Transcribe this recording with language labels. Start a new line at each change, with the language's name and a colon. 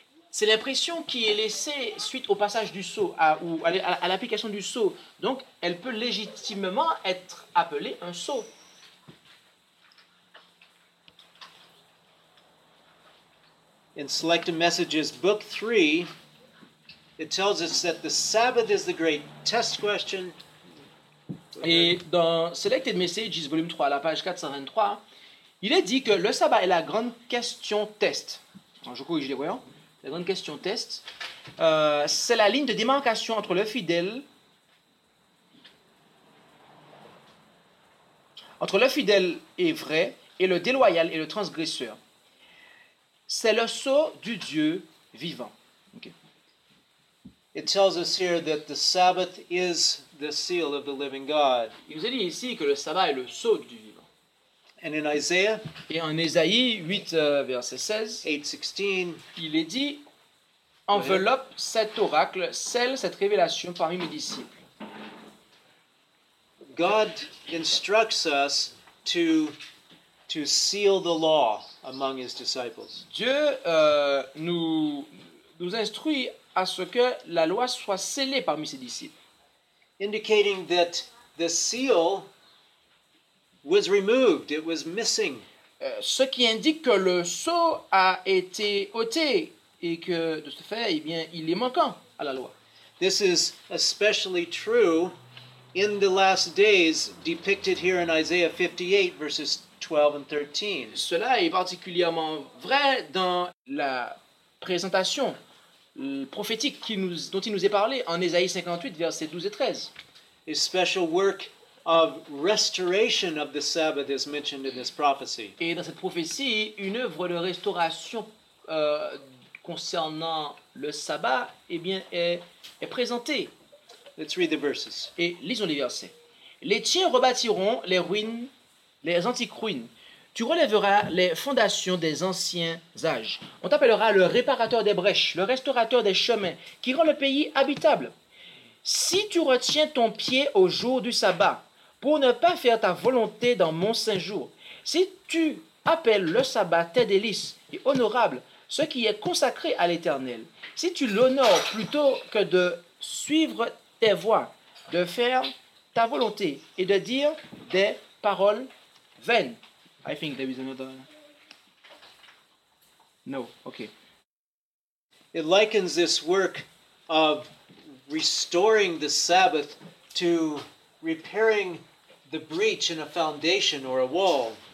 French: C'est l'impression qui est laissée suite au passage du sceau à l'application du sceau. Donc, elle peut légitimement être appelée un sceau.
English: In Selected Messages, Book 3, it tells us that the Sabbath is the great test question.
French: Et dans Selected Messages, volume 3, la page 423, il est dit que le sabbat est la grande question test. Je corrige les voyants. La grande question test. C'est la ligne de démarcation entre le fidèle. Entre le fidèle et vrai, et le déloyal et le transgresseur. C'est le sceau du Dieu vivant.
English: Okay. It tells us here that the Sabbath is the seal of the living God.
French: Il nous dit ici que le sabbat est le sceau du Dieu vivant.
English: And in Isaiah,
French: et en Ésaïe 8, verset 16,
English: 8:16,
French: il est dit, enveloppe cet oracle, scelle cette révélation parmi mes disciples.
English: God instructs us to seal the law among his disciples.
French: Dieu nous instruit à ce que la loi soit scellée parmi ses disciples.
English: Indicating that the seal was removed, it was missing.
French: Ce qui indique que le sceau a été ôté et que de ce fait, eh bien, il est manquant à la loi.
English: This is especially true in the last days depicted here in Isaiah 58 verses 12 and 13.
French: Cela est particulièrement vrai dans la présentation prophétique dont il nous est parlé en Ésaïe 58, versets 12 et 13.
English: A special work of restoration of the Sabbath is mentioned in this prophecy.
French: Et dans cette prophétie, une œuvre de restauration concernant le sabbat, eh bien, est présentée.
English: Let's read the verses.
French: Et lisons les versets. Les tiens rebâtiront les ruines, les antiques ruines. Tu relèveras les fondations des anciens âges. On t'appellera le réparateur des brèches, le restaurateur des chemins, qui rend le pays habitable. Si tu retiens ton pied au jour du sabbat, pour ne pas faire ta volonté dans mon saint jour, si tu appelles le sabbat tes délices et honorable, ce qui est consacré à l'Éternel, si tu l'honores plutôt que de suivre tes voies, de faire ta volonté et de dire des paroles vaines.
English: I think there is another. No, okay. It likens this work of restoring the Sabbath to repairing the breach in a foundation or a wall.